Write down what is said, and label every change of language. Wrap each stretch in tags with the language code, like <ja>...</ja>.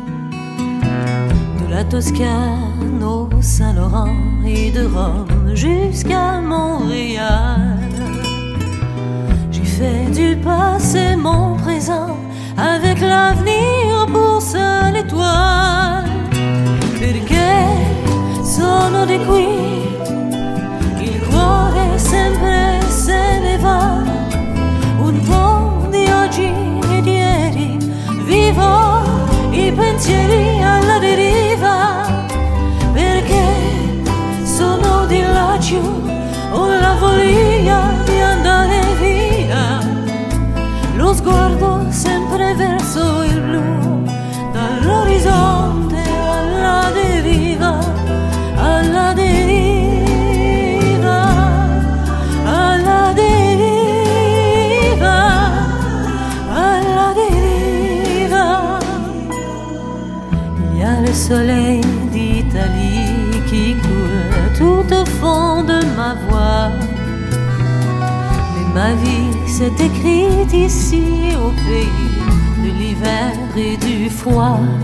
<fr>De la Toscane au Saint-Laurent et de Rome jusqu'à Montréal, j'ai fait du passé mon présent avec l'avenir pour seule étoile.</fr> <it>Perché sono di qui, il cuore sempre se ne va, un po' di oggi e di ieri, vivo i pensieri alla deriva. Perché sono di laggiù, ho la follia di andare via, lo sguardo sempre verso il blu, dall'orizzonte alla deriva, alla deriva, alla deriva, alla deriva.</it> <fr>Il y a le soleil d'Italie qui coule tout au fond de ma voix, mais ma vie c'est écrit ici au pays de l'hiver et du froid.</fr>